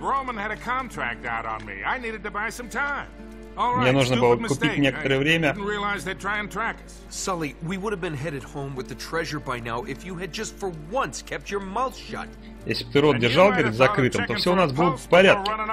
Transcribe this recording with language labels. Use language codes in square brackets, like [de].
[en] Roman had a contract out on me. I needed to buy some time. All right, [ru] мне нужно было купить некоторое время. [en] Didn't realize they'd try and track us. Sully, we would have been headed home with the treasure by now if you had just for once kept your mouth shut. [ru] Если бы ты рот держал, говорит, закрытым, то все у нас было бы в порядке.